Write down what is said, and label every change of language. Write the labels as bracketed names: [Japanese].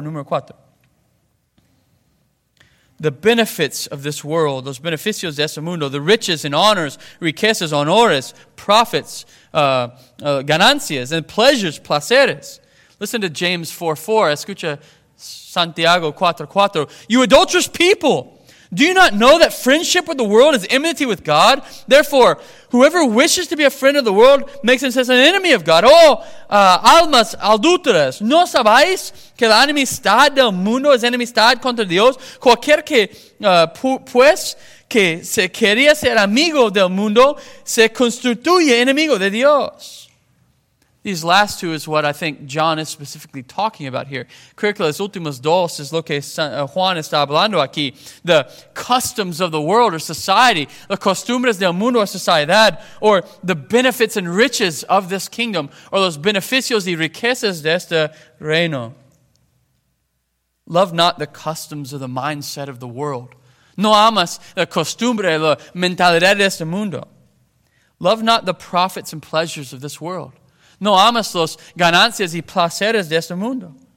[English] The benefits of this world, [Spanish] los beneficios de este mundo, [English] the riches and honors, [Spanish] riquezas, honores, [English] profits, ganancias, and pleasures, placeres. Listen to James 4:4. [Spanish] Escucha Santiago 4:4. [English] You adulterous people, do you not know that friendship with the world is enmity with God? Therefore, whoever wishes to be a friend of the world makes himself an enemy of God. [Spanish] Almas adúlteras, ¿no sabéis que la enemistad del mundo es enemistad contra Dios? Cualquier que, pues, que se quería ser amigo del mundo, se constituye enemigo de Dios. [English] These last two is what I think John is specifically talking about here. [Spanish] Creo que las últimas dos es lo que Juan está hablando aquí. [English] The customs of the world or society, [Spanish] las costumbres del mundo o sociedad, [English] or the benefits and riches of this kingdom, or [Spanish] los beneficios y riquezas de este reino. [English] Love not the customs or the mindset of the world. [Spanish] No amas la costumbre, la mentalidad de este mundo. [English] Love not the profits and pleasures of this world. [Spanish] No amas los ganancias y placeres de este mundo.